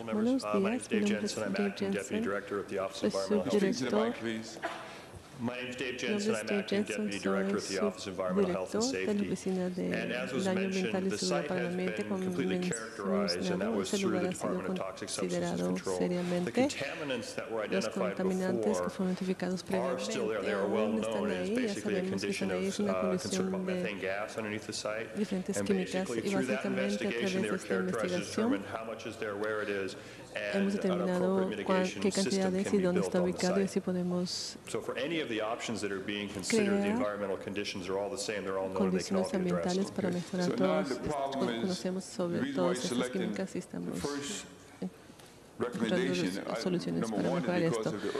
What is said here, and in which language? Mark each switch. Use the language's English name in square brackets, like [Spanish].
[Spanish] Buenos días, mi nombre es Dave Jensen, soy subdirector. [English] My name is Dave Jensen. I'm Acting Deputy Director of the Office of Environmental Health and Safety. And as was mentioned, the site has been completely characterized, and that was through the Department of Toxic Substances Control. The contaminants that were identified before are still there. They are well known as basically a condition of conservatory methane gas underneath the site. And basically, through that investigation, they were characterized to determine how much is there, where it is, [Spanish] hemos determinado qué cantidad es y dónde está ubicado y si podemos crear condiciones ambientales para mejorar todos. Conocemos sobre todas estas químicas y estamos encontrando soluciones para mejorar esto.